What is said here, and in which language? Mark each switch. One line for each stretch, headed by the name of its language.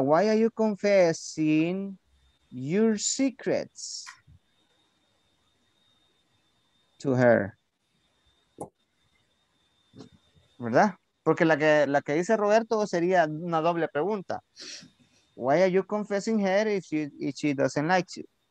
English: Why are you confessing your secrets to her?
Spanish: ¿Verdad? Porque la que dice Roberto sería una doble pregunta.
English: Why are you confessing her if she doesn't like you?